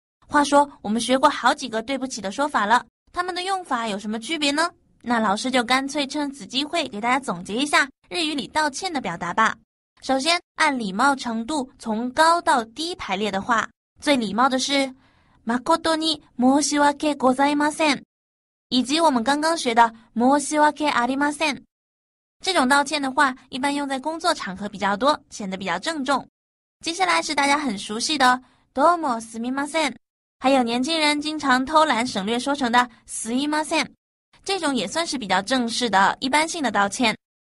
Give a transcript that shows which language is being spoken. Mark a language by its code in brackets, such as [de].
[zh] 话说我们学过好几个对不起的说法了，他们的用法有什么区别呢？那老师就干脆趁此机会给大家总结一下日语里道歉的表达吧。首先，按礼貌程度从高到低排列的话，最礼貌的是 [ja] 誠に申し訳ございません， [zh] 以及我们刚刚学的 [ja] 申し訳ありません。 [zh] 这种道歉的话一般用在工作场合比较多，显得比较郑重。接下来是大家很熟悉的 [ja] どうもすみません， [zh] 还有年轻人经常偷懒省略说成的すいません，这种也算是比较正式的一般性的道歉。